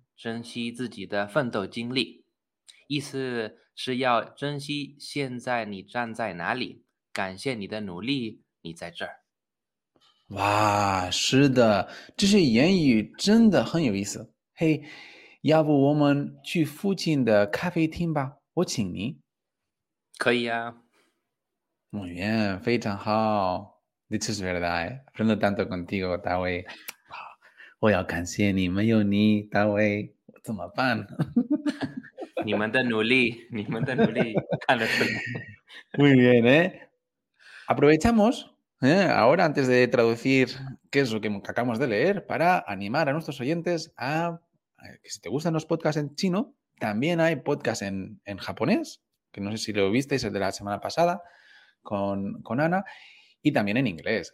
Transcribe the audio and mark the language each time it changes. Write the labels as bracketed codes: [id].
[zh] 珍惜自己的奋斗经历，意思是要珍惜现在你站在哪里，感谢你的努力，你在这儿。哇，是的，这些言语真的很有意思。嘿。要不我们去附近的咖啡厅吧，我请你。可以呀。 [es] muy bien， [zh] 非常好。 [en] This is [es] verdad. Aprendo tanto contigo, David. [zh] 我要感谢你，没有你，David，怎么办？你们的努力，你们的努力，看得出来。 [es] muy bien, ¿eh? Aprovechamos. Ahora, antes de traducir qué es lo que acabamos de leer, para animar a nuestros oyentes a que si te gustan los podcasts en chino, también hay podcasts en japonés, que no sé si lo visteis el de la semana pasada con Ana, y también en inglés.